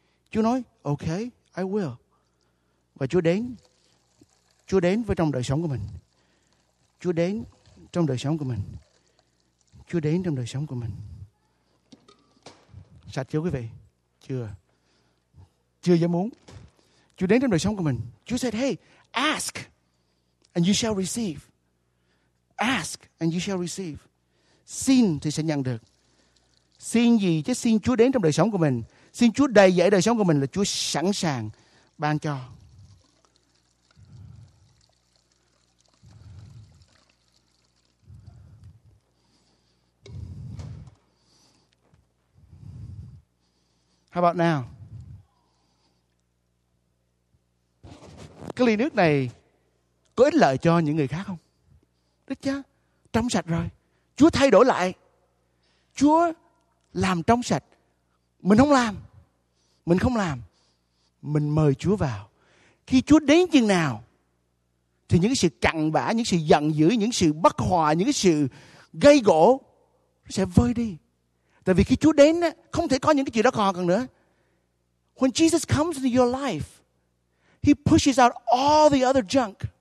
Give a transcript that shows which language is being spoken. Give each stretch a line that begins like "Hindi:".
Vietnamese: Chúa nói,
English: ok, I will.
Vietnamese: Và Chúa đến với trong đời sống của mình. Chúa đến trong đời sống của mình. Chúa đến trong đời sống của mình. Sạch chưa quý vị? Chưa. Chưa dám muốn. Chúa đến trong đời sống của mình. Chúa
English: said, hey, ask and you shall receive. Ask and you shall receive.
Vietnamese: Xin thì sẽ nhận được. Xin gì chứ xin Chúa đến trong đời sống của mình. Xin Chúa đầy dẫy đời sống của mình là Chúa sẵn sàng ban cho.
English: How about now?
Vietnamese: Cái ly nước này có ích lợi cho những người khác không? Đức cha trong sạch rồi. Chúa thay đổi lại. Chúa làm trong sạch. Mình không làm. Mình không làm. Mình mời Chúa vào. Khi Chúa đến chừng nào, thì những sự cặn bã, những sự giận dữ, những sự bất hòa, những sự gây gỗ sẽ vơi đi. Tại vì khi Chúa đến, không thể có những cái chuyện đó còn nữa.
English: When Jesus comes into your life, He pushes out all the other junk.